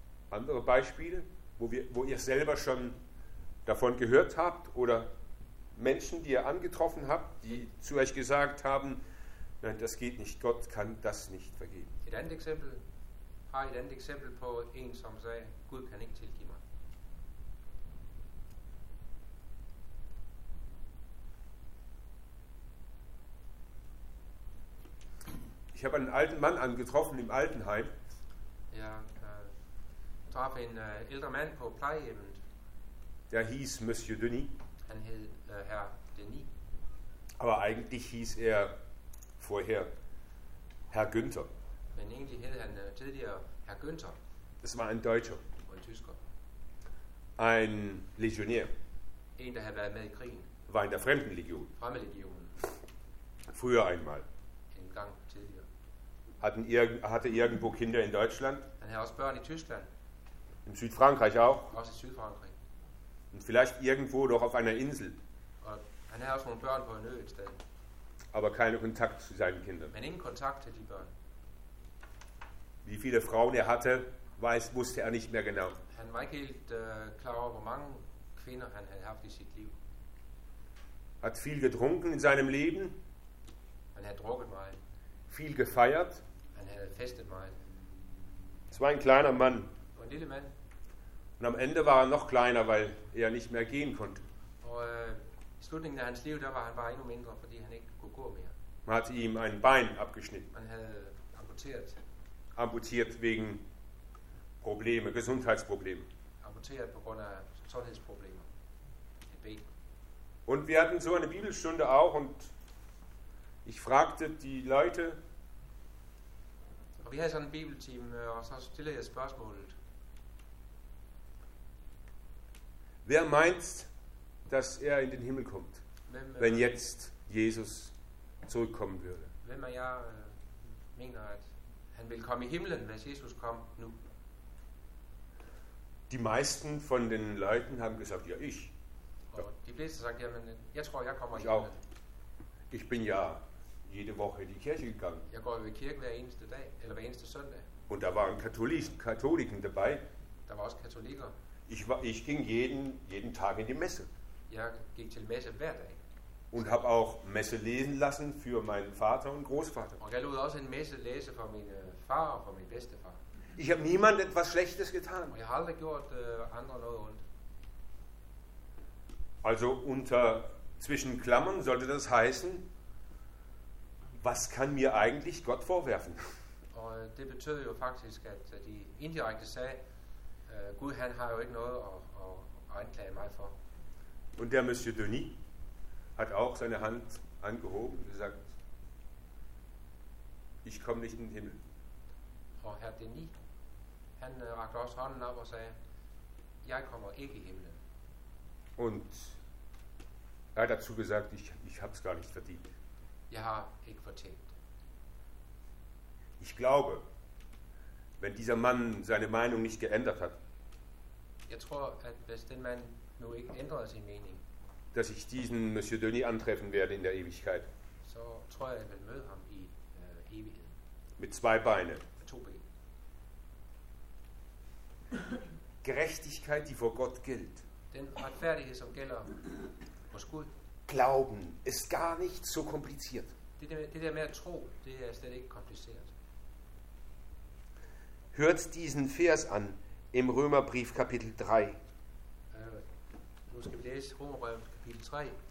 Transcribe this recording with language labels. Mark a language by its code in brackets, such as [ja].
[de] Andere Beispiele, wo ihr selber schon davon gehört habt oder Menschen, die ihr angetroffen habt, die zu euch gesagt haben, nein, das geht nicht, Gott kann das nicht vergeben. [da] Et andet eksempel, har et andet eksempel på en, som sagde, Gud kan ikke tilgive mig. [de] Ich habe einen alten Mann angetroffen im Altenheim. [da] Ja, traf en ældre mand på plejehjemmet. [de] Der hieß Monsieur Denis. [da] Han hed Herr Denis. [de] Aber eigentlich hieß er vorher Herr Günther. [da] Men egentlig hed han tidligere Herr Günther. [de] Das war ein Deutscher. [da] Og en tysker. [de] Ein Legionär. [da] En, der havde været med i krigen. [de] War in der Fremdenlegion. Fremdenlegionen. Früher einmal. [da] En gang tidligere. [de] Hatte irgendwo Kinder in Deutschland. [da] Han havde også børn i Tyskland. [de] In Südfrankreich auch. [da] Også i Südfrankreich. [de] Und vielleicht irgendwo noch auf einer Insel. [da] Og han havde også nogle børn på en ø et sted. [de] Aber keine Kontakt zu seinen Kindern. [da] Men ingen kontakt til de børn. [de] Wie viele Frauen er hatte, wusste er nicht mehr genau. [da] Han var ikke helt klar over, hvor mange kvinder han havde haft i sit liv. [de] Hat viel getrunken in seinem Leben. [da] Han havde drukket meget. [de] Viel gefeiert. [da] Han havde festet meget. [de] Es war ein kleiner Mann. [da] Ein lille mand. [de] Und am Ende war er noch kleiner, weil er nicht mehr gehen konnte. [da] Og i slutningen af hans liv, der var han bare endnu mindre, fordi han ikke kunne gå mere. [de] Man hatte ihm ein Bein abgeschnitten. [da] Man havde amputeret. [de] Amputiert wegen Probleme, Gesundheitsprobleme. [da] Amputiert på grund af sundhedsproblemer. Et ben. [de] Und wir hatten so eine Bibelstunde auch und ich fragte die Leute. [da] Og vi havde sådan en bibelteam, og så stillede jeg spørgsmålet. [de] Wer meint, dass er in den Himmel kommt, wenn jetzt Jesus zurückkommen würde? Wenn man ja meiner hat, [da] han vil komme i himlen, hvis Jesus kom nu. [de] Die meisten von den Leuten haben gesagt, ja, ich. [da] Og de fleste sagt, ja, men jeg tror, jeg kommer [de] ich [da] i himlen. [de] Auch. Ich bin ja jede Woche in die Kirche gegangen. [da] Jeg går i kirke hver eneste dag, eller hver eneste søndag. [de] Und da waren Katholiken dabei. [da] Da var også katolikker. [de] Ich ging jeden Tag in die Messe. [da] Jeg gik til Messe hver dag. [de] Und habe auch Messe lesen lassen für meinen Vater und Großvater. [da] Og jeg lod også en Messe læse for min far og for min bedstefar. [de] Ich habe niemand etwas Schlechtes getan. [da] Og jeg har aldrig gjort andre noget ondt. [de] Also unter zwischen Klammern sollte das heißen, was kann mir eigentlich Gott vorwerfen? [da] Og det betød jo faktisk, at de indirekte sagde, Gud, han har jo ikke noget at anklage mig for. [de] Und der Monsieur Denis hat auch seine Hand angehoben und gesagt, ich komme nicht in den Himmel. [da] Og Herr Denis, han rakte også hånden op og sagde, jeg kommer ikke i himlen. [de] Und er hat dazu gesagt, ich habe es gar nicht verdient. [da] Jeg har ikke fortjent. [de] Ich glaube, wenn dieser Mann seine Meinung nicht geändert hat, [da] jeg tror, at hvis den mand nu ikke ændrede sin mening, [de] dass ich diesen Monsieur Denis antreffen werde in der Ewigkeit. [da] Så tror jeg, at man møder ham i evigheden. [de] Mit zwei Beine. [da] Med to ben. [de] Gerechtigkeit, die vor Gott gilt. [da] Den retfærdighed, som gælder hos Gud. [de] Glauben ist gar nicht so kompliziert. [da] Det der med at tro, det er slet ikke kompliceret. [de] Hört diesen Vers an im Römerbrief Kapitel 3. [da] Nu skal vi læse Romerbrevet kapitel 3.